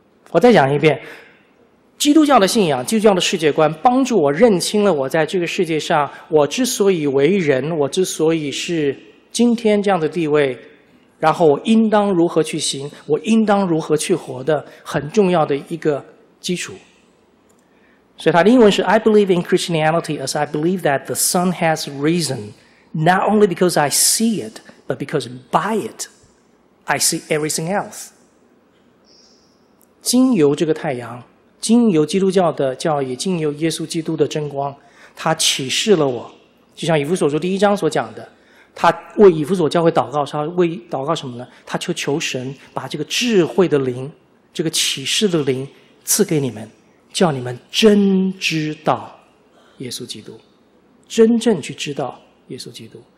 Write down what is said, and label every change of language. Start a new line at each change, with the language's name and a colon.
Chinese: 我再讲一遍，基督教的信仰、基督教的世界观帮助我认清了我在这个世界上，我之所以为人，我之所以是今天这样的地位，然后我应当如何去行，我应当如何去活的很重要的一个基础。所以它的英文是
English: I believe in Christianity as I believe that the sun has risen, not only because I see it, but because by it, I see everything else.
Chinese: 经由这个太阳，经由基督教的教义，经由耶稣基督的真光，他启示了我，就像以弗所书第一章所讲的，他为以弗所教会祷告，他为祷告什么呢？他求神把这个智慧的灵，这个启示的灵赐给你们，叫你们真知道耶稣基督，真正去知道耶稣基督。